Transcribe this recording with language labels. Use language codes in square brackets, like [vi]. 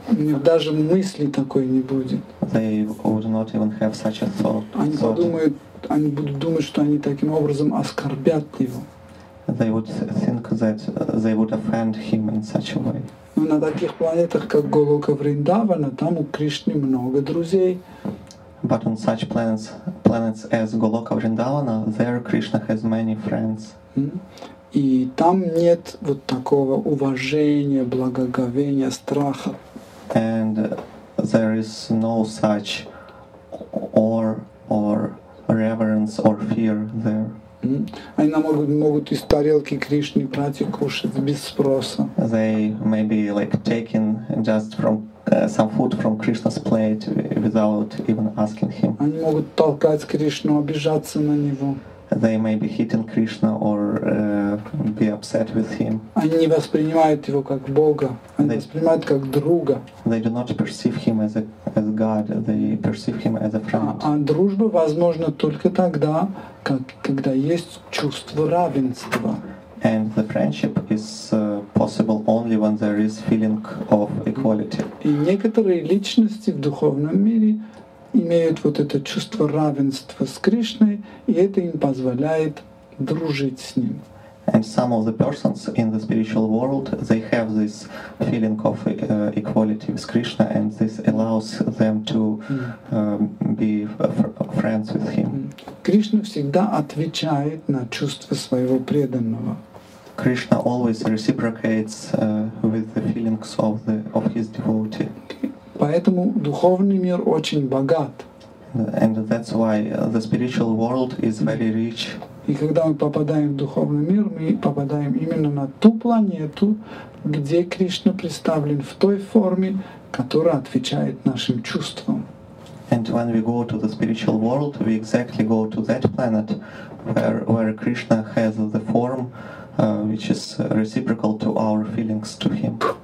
[ru] У них даже мысли такой не будет. [en] They would not even have such a thought. [ru] Они будут думать, что они таким образом оскорбят его. [en] They would think that they would offend him in such a way. [ru] Но на таких планетах, как Голока Вриндавана, там у Кришны много друзей. [en] But on such planets as Голока Вриндавана, there Krishna has many friends. [ru] И там нет вот такого уважения, благоговения, страха. [en] And there is no such awe or reverence or fear there. [ru] Они могут из тарелки Кришны брать и кушать без спроса. [en] They may be like taking just from some food from Krishna's plate without even asking him. [ru] Они могут толкать Кришну, обижаться на него. [en] They may be hitting Krishna or be upset with him. [ru] Они не воспринимают его как Бога, они воспринимают как друга. [en] They do not perceive him as God, they perceive him as a friend. [ru] А дружба возможна только тогда, когда есть чувство равенства. [en] And the friendship is possible only when there is feeling of equality. [ru] И некоторые личности в духовном мире имеют вот это чувство равенства с Кришной, и это им позволяет дружить с ним. [en] And some of the persons in the spiritual world, they have this feeling of equality with Krishna, and this allows them to be friends with him. [ru] Кришна всегда отвечает на чувство своего преданного. [en] Krishna always reciprocates with the feelings of his devotee. [ru] Поэтому духовный мир очень богат. [en] And that's why the spiritual world is very rich. [ru] И когда мы попадаем в духовный мир, мы попадаем именно на ту планету, где Кришна представлен в той форме, которая отвечает нашим чувствам. [en] And when we go to the spiritual world, we exactly go to that planet where Krishna has the form which is reciprocal to our feelings to him.